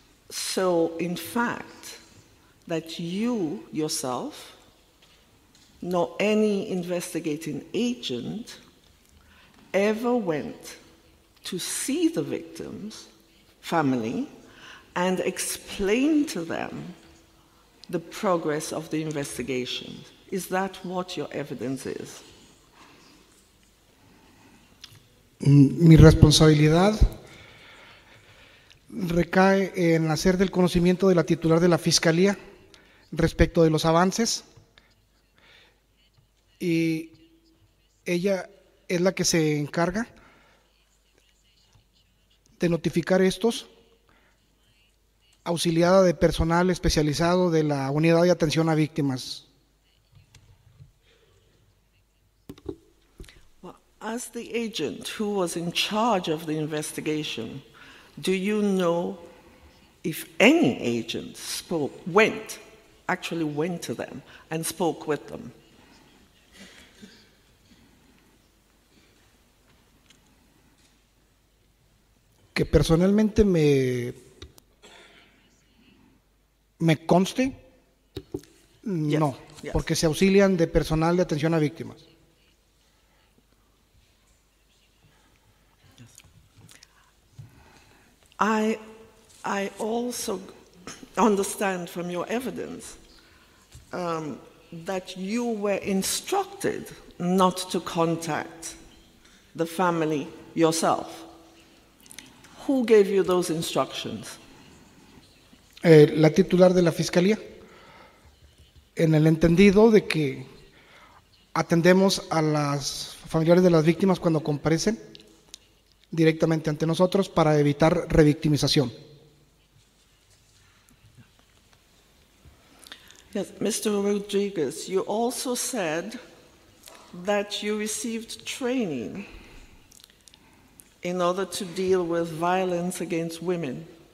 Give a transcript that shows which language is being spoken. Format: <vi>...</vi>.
<en>So, in fact, that you yourself, nor any investigating agent, ever went to see the victim's family and explain to them the progress of the investigation. Is that what your evidence is?</en> <es>Mi responsabilidad recae en hacer del conocimiento de la titular de la Fiscalía respecto de los avances, y ella es la que se encarga de notificar estos, auxiliada de personal especializado de la Unidad de Atención a Víctimas.</es> <en>As the agent who was in charge of the investigation, do you know if any agent actually went to them and spoke with them?</en> <es>Que personalmente me conste,</es> <en>yes. No, yes.</en> <es>Porque se auxilian de personal de atención a víctimas.</es> <en>I also understand from your evidence that you were instructed not to contact the family yourself. Who gave you those instructions?</en> <es>La titular de la Fiscalía, en el entendido de que atendemos a las familiares de las víctimas cuando comparecen directamente ante nosotros para evitar revictimización.</es> <en>Yes, Mr. Rodriguez, you also said that you received training in order to deal with violence against women.</en>